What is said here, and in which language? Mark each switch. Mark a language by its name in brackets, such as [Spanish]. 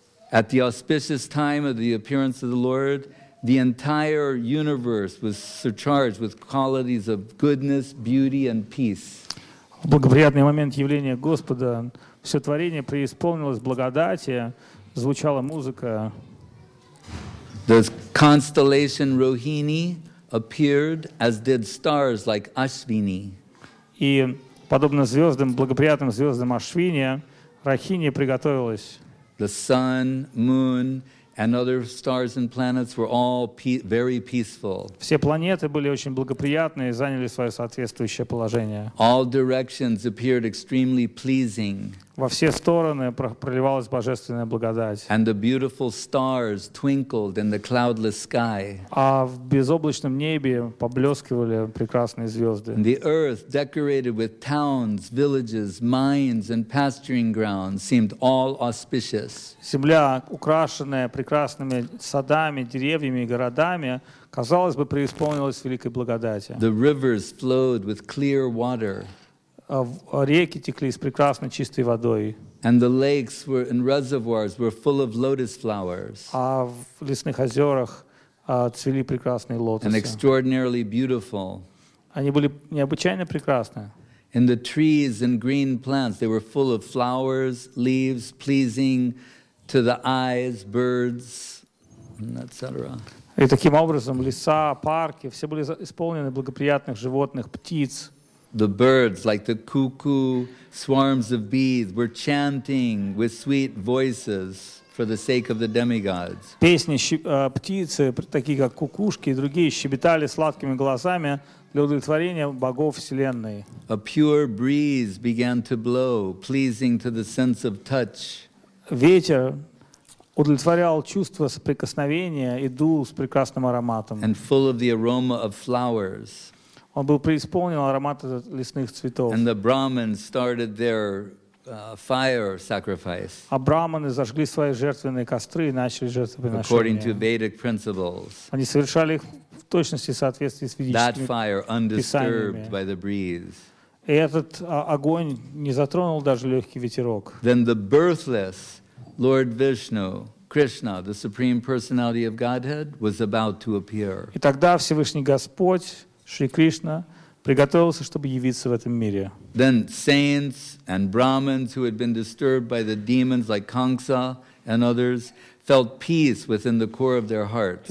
[English] At the auspicious time of the appearance of the Lord, the entire universe was surcharged with qualities of goodness, beauty, and peace. [Russian] В благоприятный момент явления Господа все творение преисполнилось благодати, звучала музыка. [English] The constellation Rohini appeared as did stars like Ashvini. [Russian] И подобно звездам, благоприятным звездам Ашвини, Рахини приготовилась. [English] The sun, moon, and other stars and planets were all very peaceful. [Russian] Все планеты были очень благоприятны и заняли свое соответствующее положение. [English] All directions appeared extremely pleasing. [Russian] Во все стороны проливалась божественная благодать. [English] And the beautiful stars twinkled in the cloudless sky. [Russian] А в безоблачном небе поблескивали прекрасные звезды. [English] And the earth, decorated with towns, villages, mines, and pasturing grounds, seemed all auspicious. [Russian] Земля, украшенная прекрасными садами, деревьями и городами, казалось бы, преисполнилась великой благодати. [English] The rivers flowed with clear water. [Russian] Реки текли с прекрасной чистой водой. [English] And the lakes were in reservoirs were full of lotus flowers. [Russian] А в лесных озерах цвели прекрасные лотосы. [English] And extraordinarily beautiful. [Russian] Они были необычайно прекрасны. [English] In the trees and green plants, they were full of flowers, leaves, pleasing to the eyes, birds, etc. [Russian] И таким образом леса, парки, все были исполнены благоприятных животных, птиц. [English] The birds, like the cuckoo, swarms of bees, were chanting with sweet voices for the sake of the demigods. [Russian] Песни птицы, такие как кукушки и другие, щебетали сладкими голосами для удовлетворения богов вселенной. [English] A pure breeze began to blow, pleasing to the sense of touch. [Russian] Ветер удовлетворял чувство соприкосновения и дул с прекрасным ароматом. [English] And full of the aroma of flowers. [Russian] Он был преисполнен аромата лесных цветов. [English] And the Brahmins started their fire sacrifice. [Russian] А брахманы зажгли свои жертвенные костры и начали жертвоприношения. [English] According to Vedic principles. [Russian] Они совершали их в точности в соответствии с ведическими писаниями. [English] That fire, undisturbed by the breeze. [Russian] И этот огонь не затронул даже легкий ветерок. [English] Then the birthless Lord Vishnu, Krishna, the Supreme Personality of Godhead, was about to appear. [Russian] И тогда Всевышний Господь, Шри Кришна, приготовился, чтобы явиться в этом мире. [English] Then saints and Brahmins who had been disturbed by the demons like Kamsa and others felt peace within the core of their hearts.